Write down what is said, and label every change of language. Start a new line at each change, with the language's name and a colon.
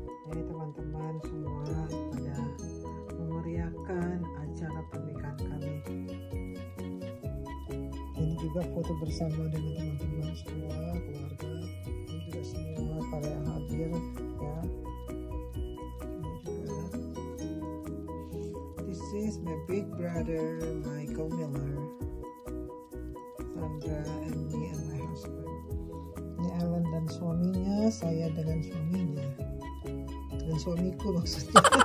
Indonesian: Ini teman-teman semua pada memeriahkan acara pernikahan kami. Ini juga foto bersama dengan teman-teman semua, keluarga. Ini juga semua para yang hadir, ya. Ini juga.
English: This is my big brother Michael Miller, Sandra, and me and my husband.
Indonesian: Ini Ellen dan suaminya, saya dengan suaminya. Dan suamiku maksudnya.